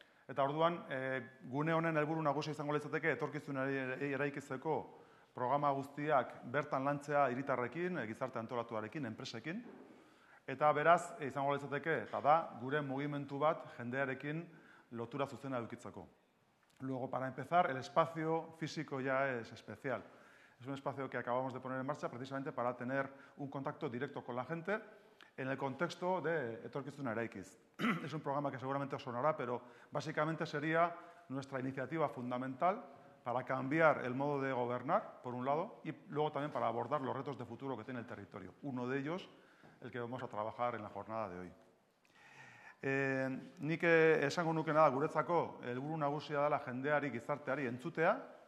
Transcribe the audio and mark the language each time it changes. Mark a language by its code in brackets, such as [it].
[eu] Eta orduan, gune honen helburu nagusia izango litzateke etorkizunari eraikitzeko programa guztiak bertan lantzea hiritarrekin, gizarte antolatuarekin, enpresekin. Eta beraz, izango litzateke, eta da, gure mugimendu bat jendearekin lotura zuzena edukitzeko. [es] Luego, para empezar, el espacio físico ya es especial. Es un espacio que acabamos de poner en marcha precisamente para tener un contacto directo con la gente en el contexto de Etorkizuna Eraikiz. Es un programa que seguramente os sonará, pero básicamente sería nuestra iniciativa fundamental para cambiar el modo de gobernar, por un lado, y luego también para abordar los retos de futuro que tiene el territorio. Uno de ellos, el que vamos a trabajar en la jornada de hoy. [eu] Nik esango nuke nada guretzako helburu nagusia dela jendeari, gizarteari entzutea.